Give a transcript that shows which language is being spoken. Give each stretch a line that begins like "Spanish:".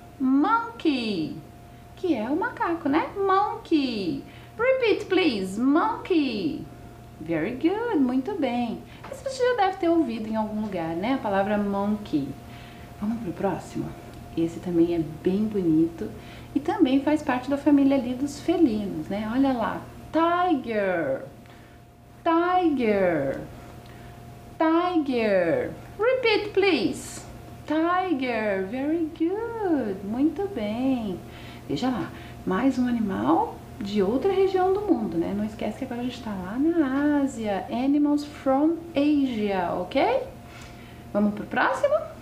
Portuguese: Monkey. Que é o macaco, né? Monkey.
English: Repeat, please. Monkey. Very good,
Portuguese: muito bem. Isso você já deve ter ouvido em algum lugar, né? A palavra monkey. Vamos para o próximo. Esse também é bem bonito e também faz parte da família ali dos felinos, né? Olha lá,
English: tiger, tiger, tiger. Repeat, please. Tiger, very good,
Portuguese: muito bem. Veja lá, mais um animal. De outra região do mundo, né? Não esquece que agora a gente está lá na Ásia.
English: Animals from Asia, ok?
Portuguese: Vamos para o próximo?